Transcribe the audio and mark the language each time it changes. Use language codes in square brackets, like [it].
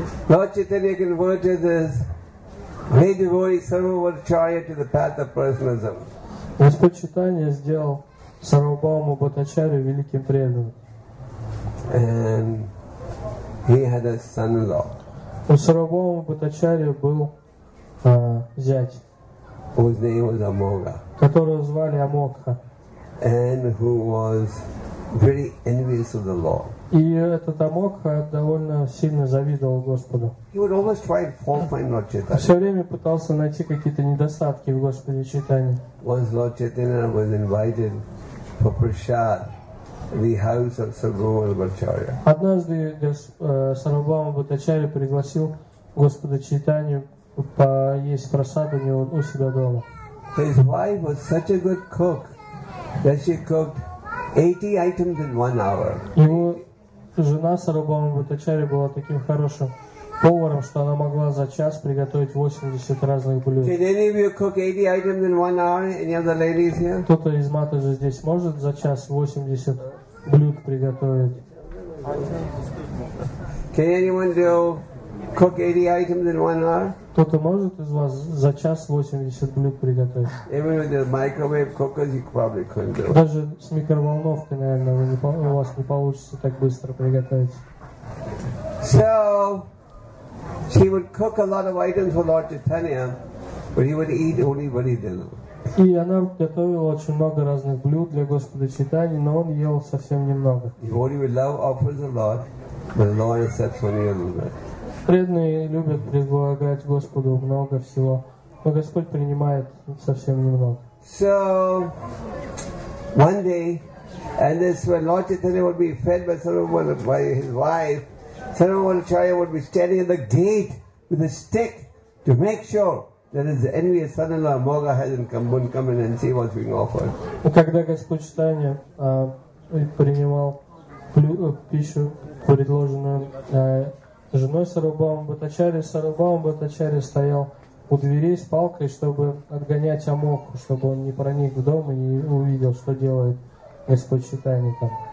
[en] Lord Chaitanya converted this great devotee Sarvabhaumacharya to the path of personalism. [ru] Господь Чайтанья сделал Сарвабхауму Бхаттачарью великим преданным. [en] And he had a son-in-law. [ru] У Сарвабхауму Бхаттачарья был зять, [en] whose name was Амога, [ru] которого звали Амогха. [en] And who was very envious of the Lord. [ru] И этот Амогха довольно сильно завидовал Господу. [en] He would always try and find Lord Chaitanya. [ru] Все время пытался найти какие-то недостатки в Господе Чайтанье. [en] Once Lord Chaitanya was invited for prasad in the house of Sarvabhaumacharya. [ru] Однажды Сарвабхаума Бхаттачарья пригласил Господа Чайтанью поесть прасад у него у себя дома. [en] His wife was such a good cook. That she cooked 80 items in 1 hour. [ru] Его жена Сарвабхаума Бхаттачарья была таким хорошим поваром, что она могла за час приготовить 80 разных блюд. [en] Can any of you cook 80 items in 1 hour? Any of the ladies here? [ru] Кто-то из матажи здесь может за час 80 блюд приготовить? [en] Can anyone cook 80 items in 1 hour? [ru] Кто-то может из вас за час 80 блюд приготовить? [en] Even with your microwave cookers, you probably couldn't do it. [ru] Даже с микроволновкой, наверное, у вас не получится так быстро приготовить. [en] So, she would cook a lot of items for Lord Chaitanya, but he would eat only what he did. [ru] И она готовила очень много разных блюд для Господа Чайтаньи, но он ел совсем немного. [en] Devotee with love offers a lot, but the Lord accepts only a little bit. [ru] Преданные любят предлагать Господу много всего, но Господь принимает совсем немного. [en] So, one day, and this when Lord Chaitanya would be fed by someone by his wife, Sarvabhaumacharya would be standing at the gate with a stick to make sure that his envious son-in-law Amogha hasn't come in and see what's being offered. [ru] Когда Господь Чайтанья принимал пищу, предложенную женой Сарвабхаума Бхаттачарья стоял у дверей с палкой, чтобы отгонять Амогху, чтобы он не проник в дом и не увидел, что делает Господь Чайтанья там.